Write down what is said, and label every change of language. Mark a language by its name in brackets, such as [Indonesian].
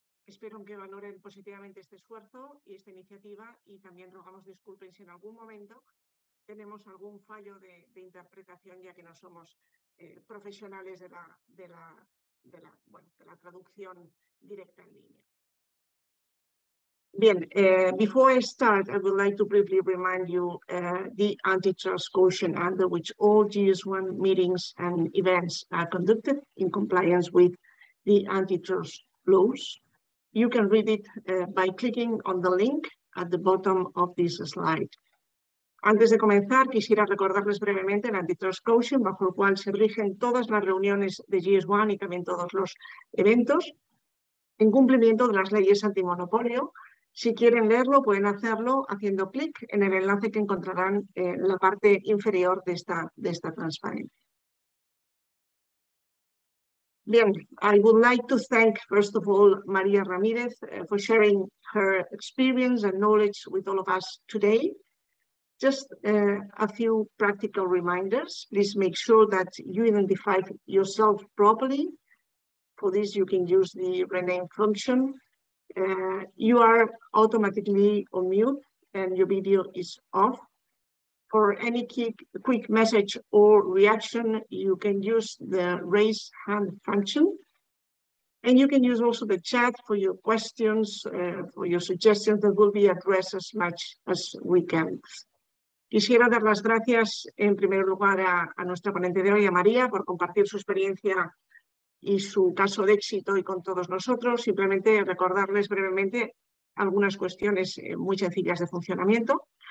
[Spanish] Espero que valoren positivamente este esfuerzo y esta iniciativa, y también rogamos disculpen si en algún momento tenemos algún fallo de interpretación, ya que no somos profesionales de la traducción directa en línea. [English] Bien, before I start, I would like to briefly remind you the antitrust caution under which all GS1 meetings and events are conducted in compliance with the antitrust laws. You can read it by clicking on the link at the bottom of this slide. [Spanish] Antes de comenzar, quisiera recordarles brevemente el antitrust caution, bajo el cual se rigen todas las reuniones de GS1 y también todos los eventos, en cumplimiento de las leyes antimonopolio. Si quieren leerlo, pueden hacerlo haciendo clic en el enlace que encontrarán en la parte inferior de esta transparencia. [English] Bien, I would like to thank, first of all, María Ramírez for sharing her experience and knowledge with all of us today. Just a few practical reminders. Please make sure that you identify yourself properly. For this, you can use the rename function. You are automatically on mute and your video is off. For any quick message or reaction, you can use the raise hand function. And you can use also the chat for your questions, for your suggestions that will be addressed as much as we can. [Spanish] Quisiera dar las gracias en primer lugar a nuestra ponente de hoy, a María, por compartir su experiencia y su caso de éxito y con todos nosotros. Simplemente recordarles brevemente algunas cuestiones muy sencillas de funcionamiento.